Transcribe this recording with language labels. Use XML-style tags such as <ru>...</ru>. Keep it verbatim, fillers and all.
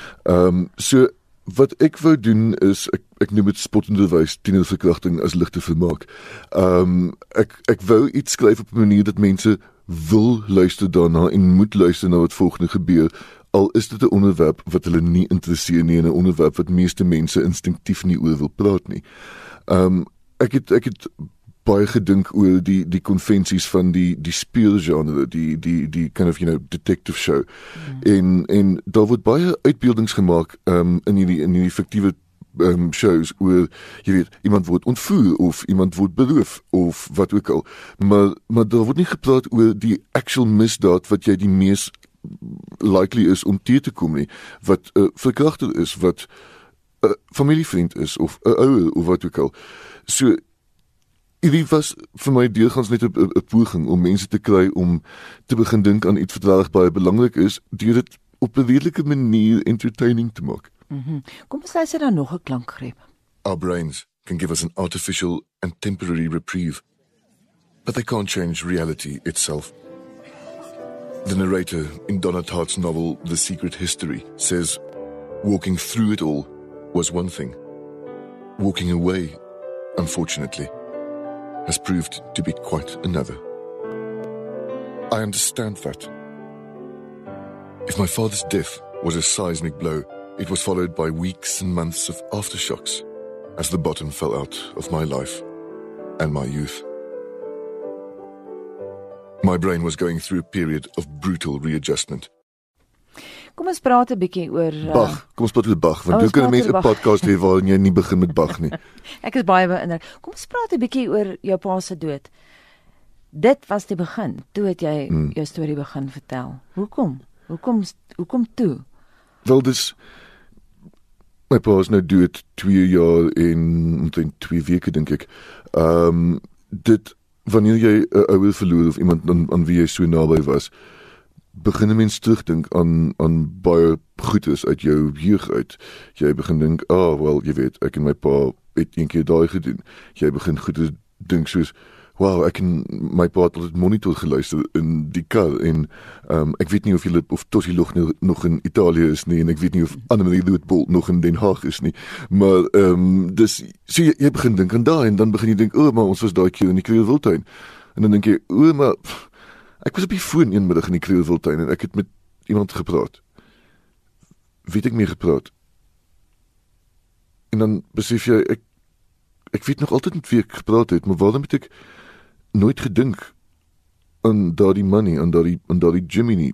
<af>Um, so, wat ek wou doen is, ek, ek noem het spottenderwijs tienerverkrachting as ligte vermaak. Um, ek, ek wou iets skryf op 'n manier dat mense wil luister daarna en moet luister na wat volgende gebeur, al is dit 'n onderwerp wat hulle nie interesseer nie en 'n onderwerp wat meeste mense instinktief nie oor wil praat nie. Um, ek het, ek het baie gedink oor die die konvensies van die die speelgenre, die die die</af> <en>kind of you know detective show.</en> <af>Mm. En en daar word baie uitbeeldings gemaak um, in hierdie in hierdie fiktiewe um, shows oor jy weet iemand word ontvoer of iemand word beroof of wat ook al. Maar maar daar word nie gepraat oor die actual misdaad wat jy die mees likely is om te te kom nie, wat 'n uh, verkragter is, wat 'n familievriend is of 'n ouer of wat ook al. So hierdie was vir my deurgaans net 'n poging om mense te kry om te begin dink aan iets wat regtig baie belangrik is, deur dit op 'n redelike manier entertaining te maak. Mm-hmm. Kom ons luister dan nog 'n klankgreep.</af> <en>Our brains can give us an artificial and temporary reprieve, but they can't change reality itself. The narrator in Donna Tartt's novel The Secret History says, walking through it all was one thing. Walking away, unfortunately, has proved to be quite another. I understand that. If my father's death was a seismic blow, it was followed by weeks and months of aftershocks as the bottom fell out of my life and my youth. My brain was going through a period of brutal readjustment.</en> <af>Kom ons praat 'n bietjie oor uh, Bach. Kom ons praat oor Bach, want hoe kan mense 'n podcast hê waarin jy nie begin met Bach nie? Ek is baie beïndruk. Kom ons praat 'n bietjie oor jou pa se dood. Dit was die begin. Toe het jy mm. jou storie begin vertel. Hoekom? Hoekom hoekom toe? Wel, dis my pa is nou dood twee jaar en omtrent twee weke dink ek. Ehm um, dit wanneer jy 'n ouer verloor of iemand aan, aan wie jy so naby was, begin 'n mens terugdink aan aan baie goedes uit jou jeug uit. Jy begin dink, ah, oh, wel, jy weet, ek en my pa het een keer daai gedoen. Jy begin goedes dink soos, wow, ek en my pa het altyd monitor geluister in die kar en um, ek weet nie of julle of Tossie Log nog in Italië is nie en ek weet nie of Annemarie Roodbolt nog in Den Haag is nie. Maar um, dis so jy, jy begin dink aan daai en dan begin jy dink, o, oh, maar ons was daai keer in die Kreeuwiltuin. En dan dink jy, o, oh, maar pff, ek was op die foon een middag in die Kreeuwiltuin en ek het met iemand gepraat. Weet ek mee gepraat? En dan besef jy, ek, ek weet nog altyd met wie ek gepraat het, maar waarom het ek nooit gedink aan daardie man nie, aan daardie, aan daardie Jimmy nie?</af>